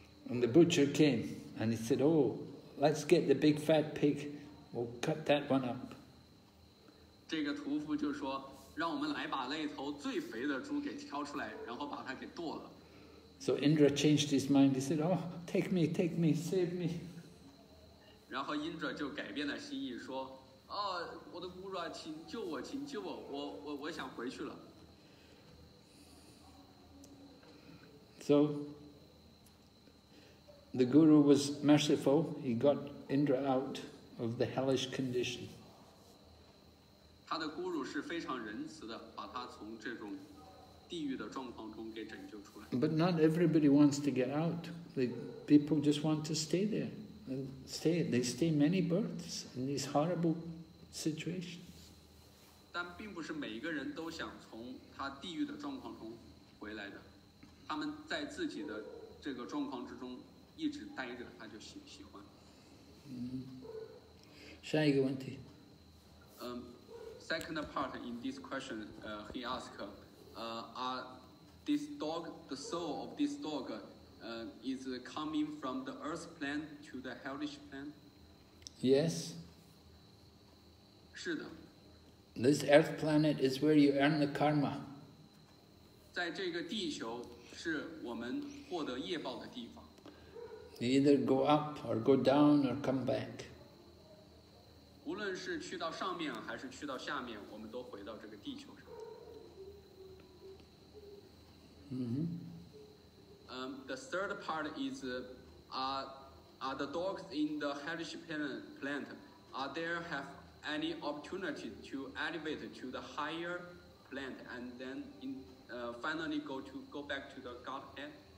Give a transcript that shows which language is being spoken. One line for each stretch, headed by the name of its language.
English: And the butcher came and he said, "Oh, let's get the big fat pig. We'll cut that one up."
Chinese: 这个屠夫就说。让我们来把那头最肥的猪给挑出来，然后把它给剁了。
English: So Indra changed his mind. He said, "Oh, take me, save me."
Chinese: 然后 Indra 就改变了心意，说：“哦，我的 guru， 请救我，请救我，我想回去了。”
English: So the guru was merciful. He got Indra out of the hellish condition.
Chinese: 他的姑乳是非常仁慈的，把他从这种地狱的状况中给拯救出来。
English: But not everybody wants to get out. The people just want to stay there. They stay many births in these horrible situations.
Chinese: 但并不是每一个人都想从他地狱的状况中回来的，他们在自己的这个状况之中一直待着，他就喜欢。下一个问题。
English: Second part in this question, he asked, "Are this dog the soul of this dog? Is coming from the earth plane to the hellish plane?" Yes.
Chinese: 是的。
English: This earth planet is where you earn the karma.
Chinese: 在这个地球是我们获得业报的地方。
English: You either go up or go down or come back.
Chinese: 无论是去到上面还是去到下面，我们都回到这个地球上。
English: The third part is, are the dogs in the hellish plant, are there have any opportunity to elevate to the higher plant and then finally go back to the Godhead?